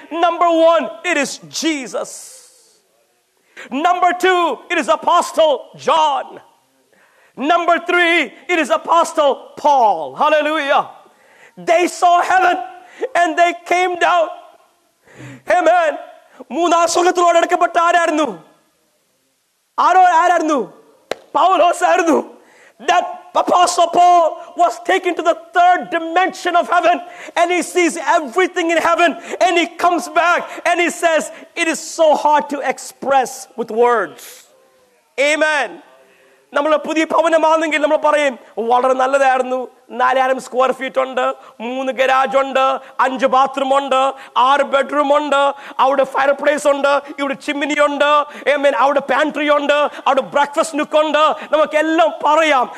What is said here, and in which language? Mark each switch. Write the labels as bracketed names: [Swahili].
[English] Number 1, it is Jesus. Number 2, it is Apostle John. Number 3, it is Apostle Paul. Hallelujah. They saw heaven and they came down. Amen. [Malayalam] മൂന്നാം സ്വർഗ്ഗത്തിലോട് അടക്കപ്പെട്ട ആരായിരുന്നു? ആരോ ആരായിരുന്നു? പൗലോസ് ആയിരുന്നു. [English] That Apostle Paul was taken to the third dimension of heaven and he sees everything in heaven and he comes back and he says, it is so hard to express with words. Amen. [Malayalam] നമ്മൾ പുതിയ ഭവനം ആണെങ്കിൽ നമ്മൾ പറയും വളരെ നല്ലതായിരുന്നു, 4000 square feet ഉണ്ട്, 3 garage ഉണ്ട്, 5 bathroom ഉണ്ട്, 6 bedroom ഉണ്ട്, അവിടെ ഫയർ പ്ലേസ് ഉണ്ട്, ഇവിടെ ചിമ്മിനി ഉണ്ട്, അവിടെ പാൻട്രി ഉണ്ട്, അവിടെ ബ്രേക്ക്ഫാസ്റ്റ് നുക്ക് ഉണ്ട്, നമുക്ക് എല്ലാം പറയാം.